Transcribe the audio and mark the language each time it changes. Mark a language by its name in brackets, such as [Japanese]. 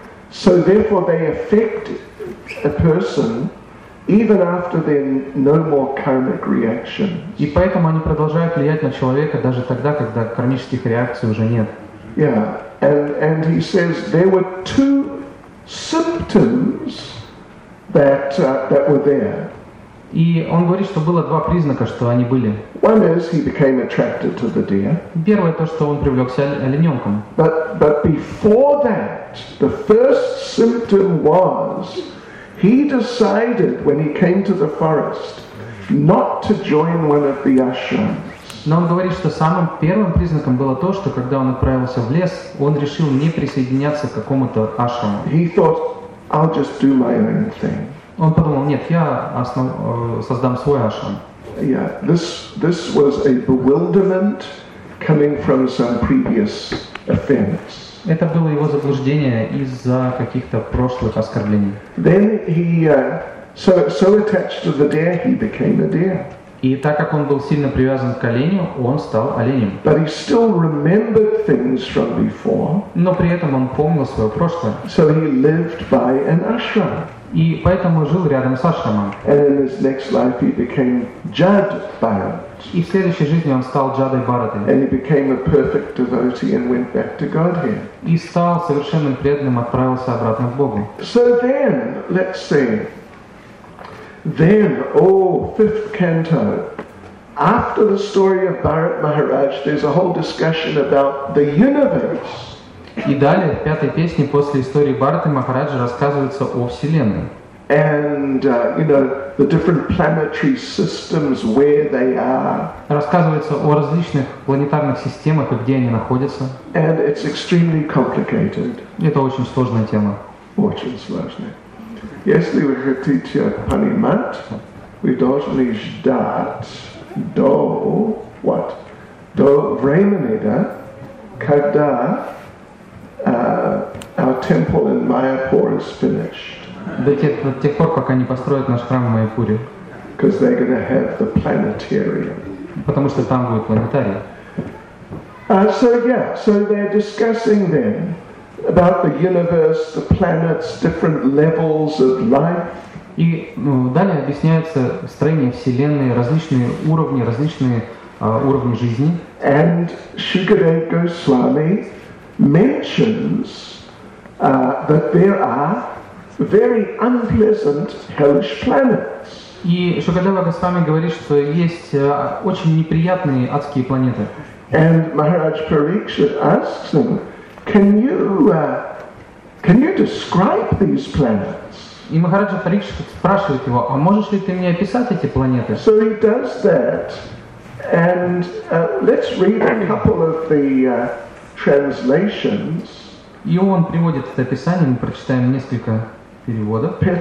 [English] So therefore they affect a person even after their no more karmic reactions. [Russian] И поэтому они продолжают влиять на человека даже тогда, когда кармических реакций уже нет. [English] Yeah. And he says there were two symptoms that were there. [Russian] И он говорит, что было два признака, что они были. [English] One is he became attracted to the deer. [Russian] Первое то, что он привлекся олененком. [English] But before that, the first symptom was he decided when he came to the forest not to join one of the ashrams. [Russian] Но он говорит, что самым первым признаком было то, что когда он отправился в лес, он решил не присоединяться к какому-то ашраму. [English] He thought, I'll just do my own thing. [Russian] Он подумал, нет, я создам свой ашрам. [English] Yeah, this was a bewilderment coming from some previous offense. [Russian] Это было его заблуждение из-за каких-то прошлых оскорблений. [English] Then he so attached to the deer, he became a deer. [Russian] И так как он был сильно привязан к оленю, он стал оленем. [English] But he still remembered things from before. [Russian] Но при этом он помнил свое прошлое. [English] So he lived by an ashram. [Russian] И поэтому жил рядом с ашрамом. [English] And in his next life he became Jad Bharat. [Russian] И в следующей жизни он стал Джадой Бхаратой. [English] And he became a perfect devotee and went back to Godhead. [Russian] И стал совершенным преданным, отправился обратно к Богу. [English] So then, let's see. Then, fifth canto. After the story of Bharat Maharaj, there's a whole discussion about the universe. [Russian] И далее, в пятой песне, после истории Бхараты Махараджи, рассказывается о Вселенной. [English] And you know the different planetary systems where they are. [Russian] Рассказывается о различных планетарных системах и где они находятся. [English] And it's extremely complicated. [Russian] Это очень сложная тема. Очень сложная. Если вы хотите понимать, вы должны ждать до времени, да, когда [English] our temple in Mayapur is finished. [Russian] До тех пор, пока не построят наш храм в Майяпуре. [English] Because they're going to have the planetarium. [Russian] Потому что там будет планетарий. [English] So they're discussing then about the universe, the planets, different levels of life. [Russian] И далее объясняется строение Вселенной, различные уровни, различные уровни жизни. [English] And Shukadev Goswami mentions that there are very unpleasant hellish planets. [Russian] И Шукадева Госвами говорит, что есть очень неприятные адские планеты. [English] And Maharaj Parikshit asks him, can you describe these planets? [Russian] И Махараджа Парикшит спрашивает его, а можешь ли ты мне описать эти планеты? [English] So he does that, and let's read a couple of the translations. [Russian] И он приводит это описание, мы прочитаем несколько переводов.